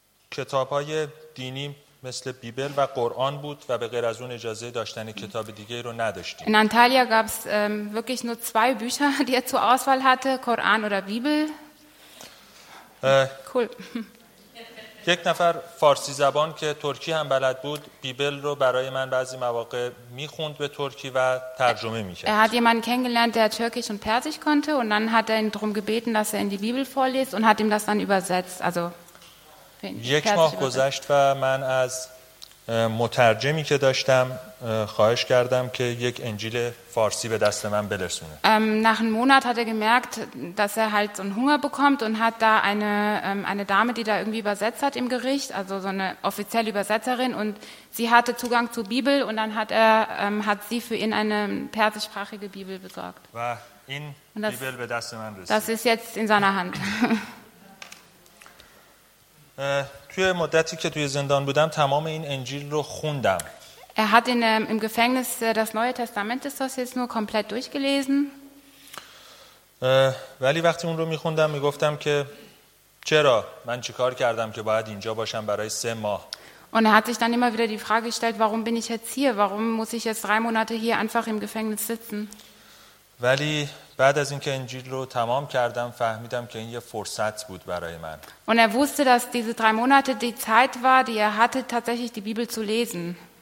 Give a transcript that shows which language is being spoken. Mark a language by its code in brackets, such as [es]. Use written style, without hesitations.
[fa] کتاب‌های دینی مثل بیبل و قرآن بود و به غیر از اون اجازه داشتن کتاب دیگه‌ای رو نداشتیم. [de] In Antalya gab es wirklich nur 2 Bücher, die er zur Auswahl hatte, Koran oder Bibel. Cool. [fa] یک نفر فارسی زبان که ترکی هم بلد بود بیبل رو برای من بعضی مواقع میخوند به ترکی و ترجمه میکرد. [de] Er hat jemanden kennengelernt, der türkisch und persisch konnte und dann hat er ihn drum gebeten, dass er in die Bibel vorliest und hat ihm das dann übersetzt. Also [fa] یک ماه گذشت و من از مترجمی که داشتم خواهش کردم که یک انجیل فارسی به دست من برسونه. [de] Nach einem Monat hat er gemerkt, dass er halt so einen Hunger bekommt und hat da eine Dame, die da irgendwie übersetzt hat im Gericht, also so eine offizielle Übersetzerin und sie hatte Zugang zur Bibel und dann hat sie für ihn eine persischsprachige Bibel besorgt. [fa] و این بیبل به دست من رسید. [de] Das ist jetzt in seiner Hand. [fa] توی مدتی که توی زندان بودم تمام این انجیل رو خوندم. [de] Er hat in im Gefängnis das Neue Testament des Sosis nur komplett durchgelesen. [fa] ولی وقتی اون رو می‌خوندم می‌گفتم که چرا من چیکار کردم که باید اینجا باشم برای 3 ماه. [de] Und er hat sich dann immer wieder die Frage gestellt, warum bin ich jetzt hier? Warum muss ich jetzt 3 Monate hier einfach im Gefängnis sitzen? [fa] ولی بعد از اینکه انجیل رو تمام کردم فهمیدم که این یه فرصت بود برای من. [de] Und er wusste, dass diese 3 Monate die Zeit war, die er hatte, tatsächlich die Bibel zu lesen.